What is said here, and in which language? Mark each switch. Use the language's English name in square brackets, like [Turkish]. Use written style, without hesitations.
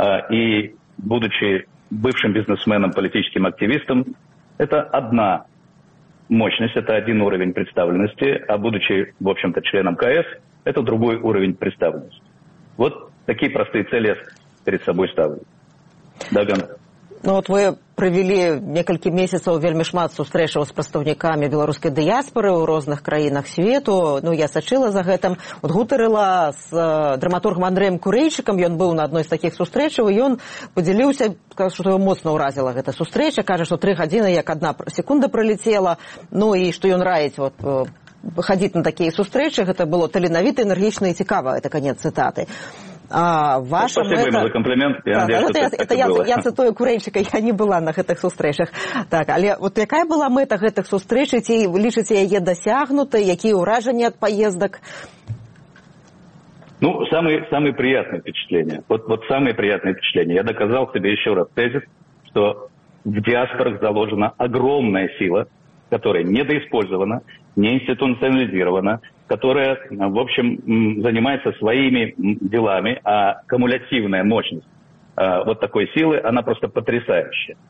[Russian] И будучи бывшим бизнесменом, политическим активистом, это одна мощность, это один уровень представленности, а будучи, в общем-то, членом КС, это другой уровень представленности. Вот такие простые цели я перед собой ставлю. Даган. Ну вот вы провели несколько месяцев [Belarusian] вельми шмат сустрэчаў с прадстаўнікамі беларускай дыяспоры у розных краінах свету. Ну, я сачыла за гэтым. Вот гутарыла с драматургом Андреем Курейчыкам. Ён быў на адной з такіх сустрэчаў, і ён падзяліўся, што яго моцна ўразіла гэта сустрэча. Кажа, што 3 гадзіны, як адна секунда пролетела. Ну, і што ён раіць вот хадзіць на такія сустрэчы. Гэта было таленавіта, энергічна і цікава. [Russian] Это канец цитаты. Спасибо ему за комплимент. Я цитую Курейчика, я не была [Belarusian] на гэтых сустрэчах. Так, але вот якая была мэта гэтых сустрэч, ці лічыце яе дасягнутай, якія ўражанні ад паездак? [Russian] Ну, самые приятные впечатления. Вот самые приятные впечатления. Я доказал себе еще раз тезис, что в диаспорах заложена огромная сила, которая недоиспользована, не институционализирована, которая, в общем, занимается своими делами, а кумулятивная мощность вот такой силы, она просто потрясающая.